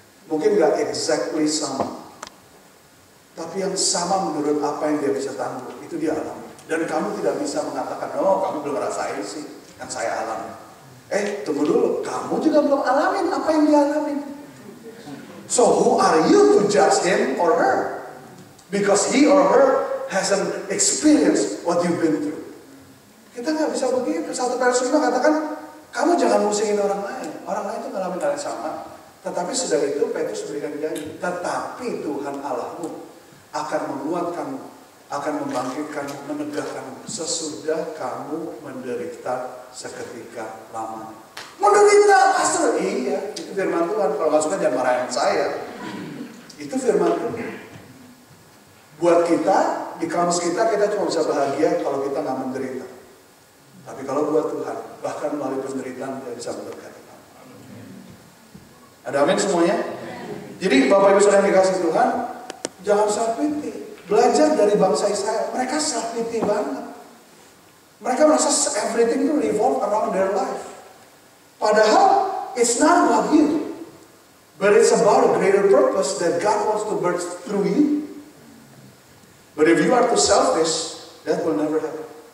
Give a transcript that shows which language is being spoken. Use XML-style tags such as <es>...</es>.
<id>Mungkin gak exactly sama, tapi yang sama menurut apa yang dia bisa tanggung, itu dia alami. Dan kamu tidak bisa mengatakan, oh kamu belum rasain sih, kan saya alami. Tunggu dulu, kamu juga belum alamin apa yang dia alami.</id> <en>So who are you to judge him or her? Because he or her hasn't experienced what you've been through.</en> <id>Kita gak bisa begitu. 1 Petrus 5 katakan, kamu jangan musingin orang lain. Orang lain itu ngalamin hal yang sama. Tetapi sudah itu Petrus berikan janji. Tetapi Tuhan Allahmu akan menguatkanmu, akan membangkitkanmu, menegakkanmu sesudah kamu menderita seketika lamanya. Menderita pastor? Iya, itu firman Tuhan. Kalau gak suka jangan marahin saya. Itu firman Tuhan. Buat kita, di kamus kita cuma bisa bahagia kalau kita gak menderita. Tapi kalau buat Tuhan, bahkan melalui penderitaan dia bisa memberkati kamu. Ada amin semuanya? Jadi Bapak Ibu Saudara yang dikasih Tuhan, jangan self-pity. Belajar dari bangsa Israel, mereka self-pity banget. Mereka merasa</id> <en>everything itu revolve around their life.</en> <id>Padahal,</id> <en>it's not about you. But it's about a greater purpose that God wants to birth through you. But if you are too selfish, that will never happen.</en>